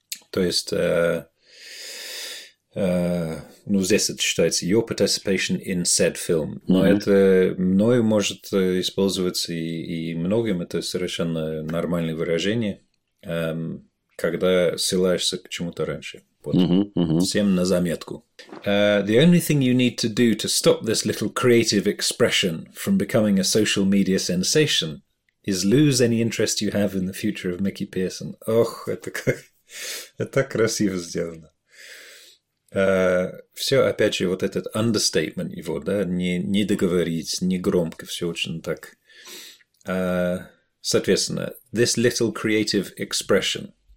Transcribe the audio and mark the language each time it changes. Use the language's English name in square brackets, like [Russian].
[Russian] То есть, ну, здесь это считается [English] your participation in said film. [Russian] Но это мною может использоваться и многим. Это совершенно нормальное выражение, когда ссылаешься к чему-то раньше. Вот. Всем на заметку. [English] The only thing you need to do to stop this little creative expression from becoming a social media sensation is lose any interest you have in the future of Mickey Pearson. [Russian] Ох, это так красиво сделано. Все, опять же, вот этот understatement его, да, не договорить, не громко, все очень так. Соответственно, [English] this little creative expression.